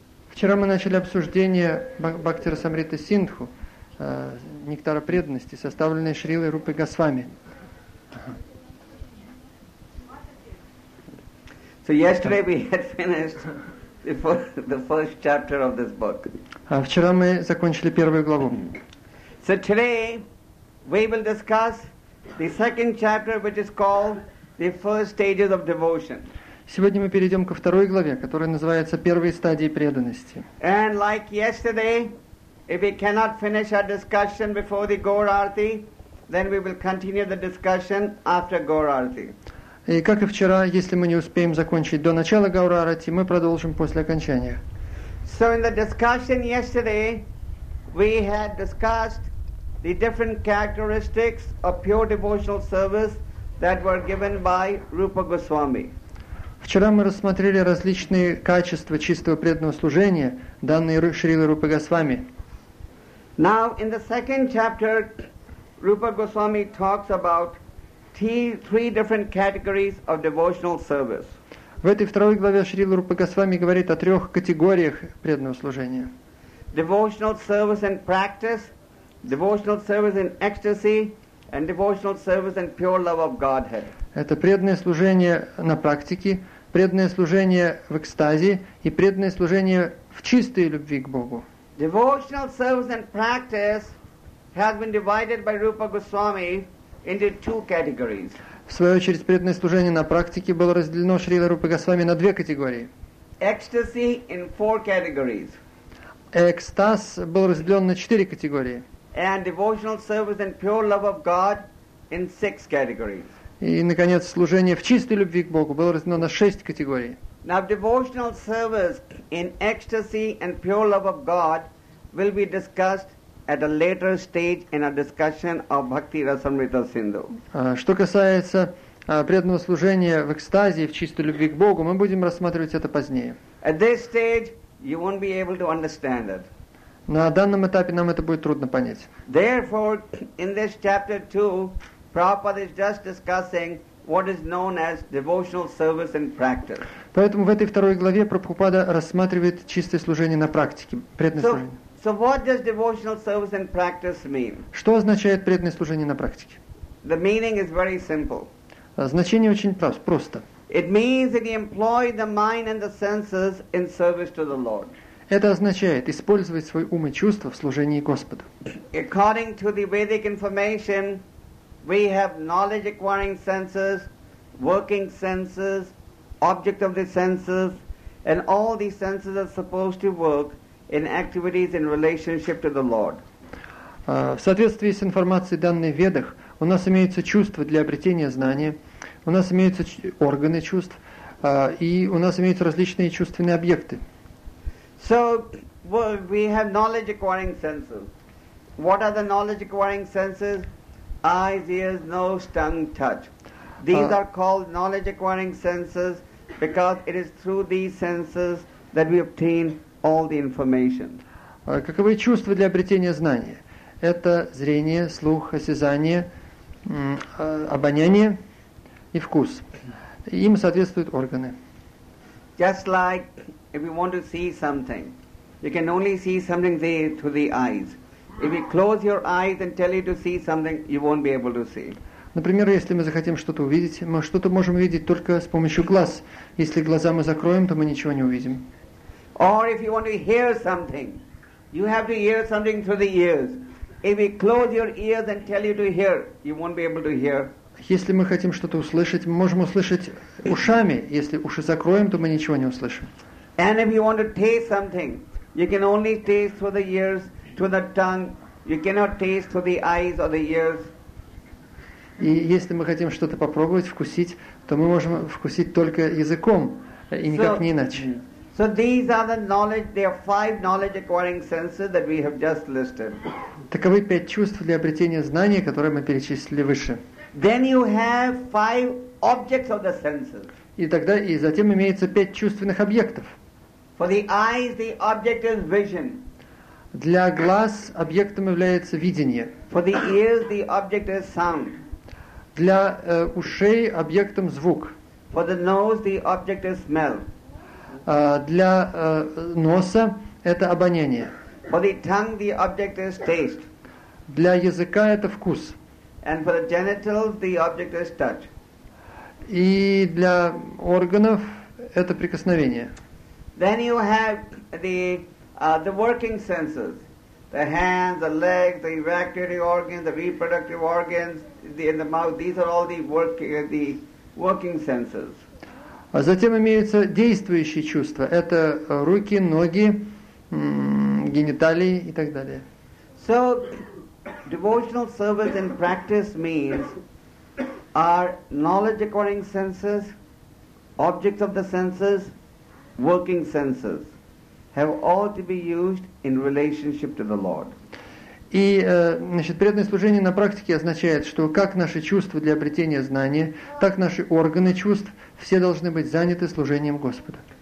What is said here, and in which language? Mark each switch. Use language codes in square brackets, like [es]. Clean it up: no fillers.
[ru] Вчера мы начали обсуждение Бхактирасамриты Синдху, нектара преданности, составленной Шрилой Рупой Госвами. [en] So yesterday we had finished the first chapter of this book. [ru] А вчера мы закончили первую главу. [en] So today we will discuss the second chapter, which is called the first stages of devotion. [ru] Сегодня мы перейдем ко второй главе, которая называется «Первые стадии преданности». [en] And like yesterday, if we cannot finish our discussion before the Gaurarti, then we will continue the discussion after Gaurarti. [ru] И как и вчера, если мы не успеем закончить до начала Гаурарати, мы продолжим после окончания. [en] So in the discussion yesterday, we had discussed the different characteristics of pure devotional service that were given by Rupa Goswami. [ru] Вчера мы рассмотрели различные качества чистого преданного служения, данные Шрилой Рупой Госвами. [en] Now in the second chapter, Rupa Goswami talks about three different categories of devotional service. [ru] В этой второй главе Шрила Рупа Госвами говорит о трех категориях преданного служения. [en] Devotional service and practice, devotional service in ecstasy, and devotional service in pure love of Godhead. [ru] Это преданное служение на практике, преданное служение в экстазе и преданное служение в чистой любви к Богу. [en] Devotional service and practice has been divided by Rupa Goswami into two categories. [ru] В свою очередь, преданное служение на практике было разделено Шрилой Рупой Госвами на две категории. [en] Ecstasy in four categories. [ru] Экстаз был разделен на четыре категории. [en] And devotional service and pure love of God in six categories. [ru] И, наконец, служение в чистой любви к Богу было разделено на шесть категорий. [en] Now, devotional service in ecstasy and pure love of God will be discussed at a later stage in a discussion of Bhakti Rasamrita Sindhu. [ru] Что касается преданного служения в экстазе и в чистой любви к Богу, мы будем рассматривать это позднее. [en] At this stage, you won't be able to understand it. [ru] На данном этапе нам это будет трудно понять. [en] Therefore, in this chapter 2, Prabhupada is just discussing what is known as devotional service in practice. [ru] Поэтому в этой второй главе Прабхупада рассматривает чистое служение на практике, преданное служение. [en] So what does devotional service and practice mean? [ru] Что означает преданное служение на практике? [en] The meaning is very simple. [ru] Значение очень просто. [en] It means that you employ the mind and the senses in service to the Lord. [ru] Это означает использовать свой ум и чувства в служении Господу. [en] According to the Vedic information, we have knowledge acquiring senses, working senses, object of the senses, and all these senses are supposed to work in activities in relationship to the Lord. [ru] В соответствии с информацией, данной в Ведах, у нас имеются чувства для обретения знания, у нас имеются органы чувств, и у нас имеются различные чувственные объекты. [en] So, well, we have knowledge acquiring senses. What are the knowledge acquiring senses? Eyes, ears, nose, tongue, touch. These are called knowledge acquiring senses because it is through these senses that we obtain all the information. [ru] Каковы чувства для обретения знания? Это зрение, слух, осязание, обоняние и вкус. Им соответствуют органы. [en] Just like if you want to see something, you can only see something there through the eyes. If you close your eyes and tell you to see something, you won't be able to see. [ru] Например, если мы захотим что-то увидеть, мы что-то можем видеть только с помощью глаз. Если глаза мы закроем, то мы ничего не увидим. [en] Or if you want to hear something, you have to hear something through the ears. If we close your ears and tell you to hear, you won't be able to hear. [ru] Если мы хотим что-то услышать, мы можем услышать ушами. Если уши закроем, то мы ничего не услышим. [en] And if you want to taste something, you can only taste through the ears, through the tongue. You cannot taste through the eyes or the ears. [ru] И если мы хотим что-то попробовать, вкусить, то мы можем вкусить только языком, и никак не иначе. [en] So these are the knowledge, there are five knowledge acquiring senses that we have just listed. [ru] Таковы пять чувств для обретения знания, которые мы перечислили выше. [en] Then you have five objects of the senses. [ru] И тогда, и затем имеется пять чувственных объектов. [en] For the eyes, the object is vision. [ru] Для глаз объектом является видение. [en] For the ears, the object is sound. [ru] Для ушей объектом звук. [en] For the nose, the object is smell. [ru] Для носа это обоняние. [en] For the tongue, the object is taste. [ru] Для языка это вкус. [en] And for the genitals, the object is touch. [ru] И для органов это прикосновение. [en] Then you have the working senses. The hands, the legs, the erectile organs, the reproductive organs, in the mouth, these are all the working senses. [ru] А затем имеются действующие чувства. Это руки, ноги, гениталии и так далее. [en] So, devotional service in practice means our knowledge acquiring senses, objects of the senses, working senses have all to be used in relationship to the Lord. [ru] И, значит, преданное служение на практике означает, что как наши чувства для обретения знания, так наши органы чувств все должны быть заняты служением Господа.